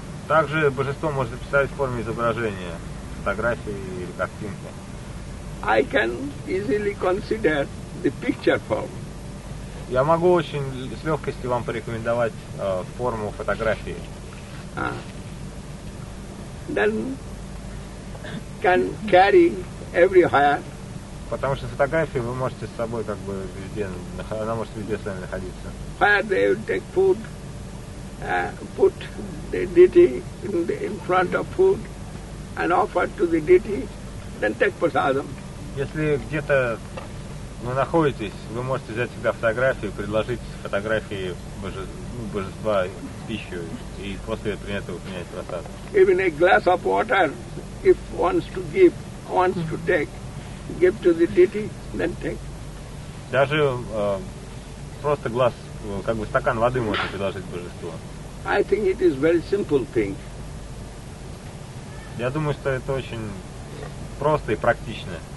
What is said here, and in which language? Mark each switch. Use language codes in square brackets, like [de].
[ru] Также божество может записать в форме изображения, фотографии или картинки. [en] I can easily consider the picture form. [ru] Я могу очень с легкостью вам порекомендовать форму фотографии. [en] Then can carry everywhere. [ru] Потому что фотографии вы можете с собой как бы везде, она может везде с вами находиться. [en] Where they will take food, put the deity in front of food and offer to the deity, then take prasadam. [ru] Если где-то вы находитесь, вы можете взять себя фотографию, предложить фотографии божества пищу и после этого принять просад. [en] Even a glass of water, if wants to give, wants to take, give to the deity, then take. [ru] Даже просто глаз, как бы стакан воды можно предложить божеству. [en] I think it is very simple thing. [ru] Я думаю, что это очень просто и практично.